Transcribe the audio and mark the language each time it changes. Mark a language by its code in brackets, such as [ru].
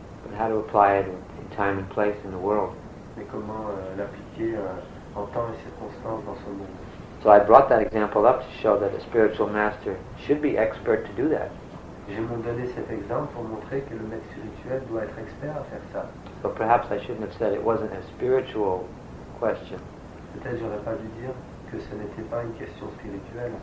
[en] But how to apply it in time and place in the world. [fr] Mais comment l'appliquer en temps et circonstance dans ce monde. [en] So I brought that example up to show that a spiritual master should be expert to do that. [fr] J'ai donné cet exemple pour montrer que le maître spirituel doit être expert à faire ça. [en] So perhaps I shouldn't have said it wasn't a spiritual question. [fr] Peut-être j'aurais pas dû dire que ce n'était pas une question spirituelle.